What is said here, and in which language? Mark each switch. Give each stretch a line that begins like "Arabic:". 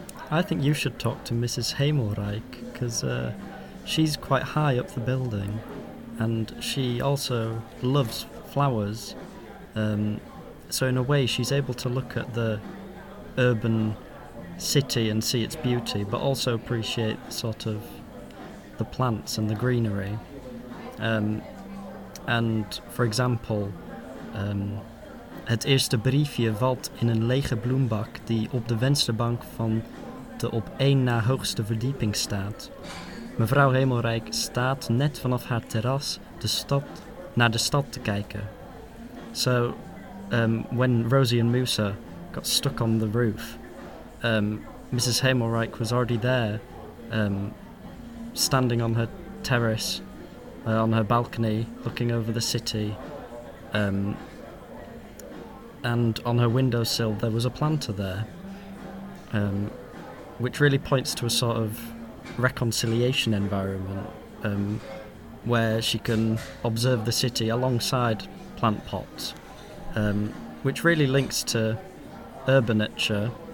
English: I think you should talk to Mrs. Hamelreich, because she's quite high up the building, and she also loves flowers. So in a way, she's able to look at the urban city and see its beauty, but also appreciate sort of the plants and the greenery. And for example,
Dutch: het eerste briefje valt in een lege bloembak die op de vensterbank van de op één na hoogste verdieping staat. Mevrouw Hemelreich staat net vanaf haar terras naar de stad te kijken.
English: So when Rosie and Moussa got stuck on the roof, Mrs. Hamelreich was already there, standing on her terrace, on her balcony, looking over the city. And on her windowsill there was a planter there, which really points to a sort of reconciliation environment, where she can observe the city alongside plant pots, which really links to urbanature.